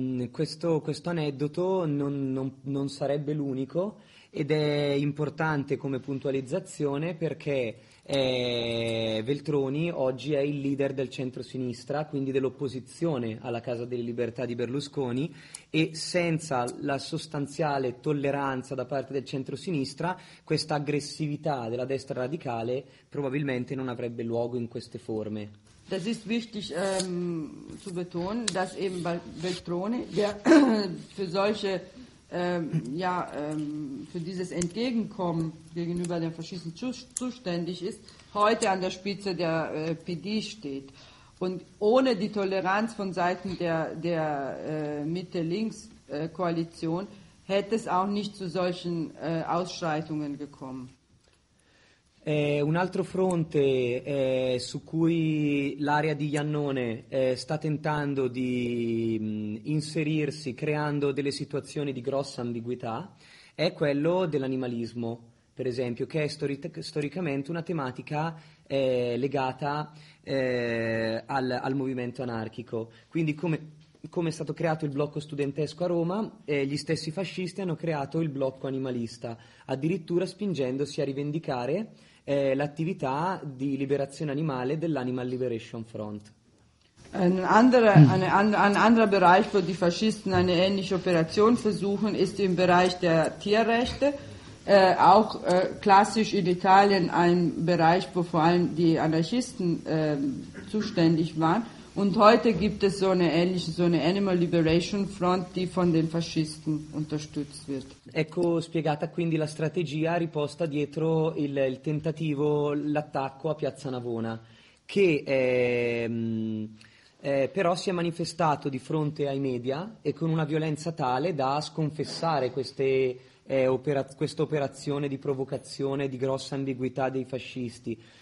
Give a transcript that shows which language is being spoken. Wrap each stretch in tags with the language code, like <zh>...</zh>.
<it>Questo aneddoto non sarebbe l'unico ed è importante come puntualizzazione perché Veltroni oggi è il leader del centro-sinistra, quindi dell'opposizione alla Casa delle Libertà di Berlusconi, e senza la sostanziale tolleranza da parte del centro-sinistra questa aggressività della destra radicale probabilmente non avrebbe luogo in queste forme.</it> <de>Das ist wichtig zu betonen, dass eben Veltroni, der für solche, für dieses Entgegenkommen gegenüber den Faschisten zuständig ist, heute an der Spitze der PD steht. Und ohne die Toleranz von Seiten der Mitte-Links-Koalition hätte es auch nicht zu solchen Ausschreitungen gekommen.</de> <it>Un altro fronte su cui l'area di Iannone sta tentando di inserirsi creando delle situazioni di grossa ambiguità è quello dell'animalismo, per esempio, che è storicamente una tematica legata al movimento anarchico. Quindi come è stato creato il blocco studentesco a Roma, gli stessi fascisti hanno creato il blocco animalista, addirittura spingendosi a rivendicare l'attività di liberazione animale dell'Animal Liberation Front.</it> <de>Ein anderer Bereich, wo die Faschisten eine ähnliche Operation versuchen, ist im Bereich der Tierrechte. Auch klassisch in Italien ein Bereich, wo vor allem die Anarchisten zuständig waren. Und heute gibt es so eine Animal Liberation Front, die von den Faschisten unterstützt wird.</de> <it>Ecco spiegata quindi la strategia riposta dietro il tentativo, l'attacco a Piazza Navona, che però si è manifestato di fronte ai media e con una violenza tale da sconfessare questa operazione di provocazione di grossa ambiguità dei fascisti.</it>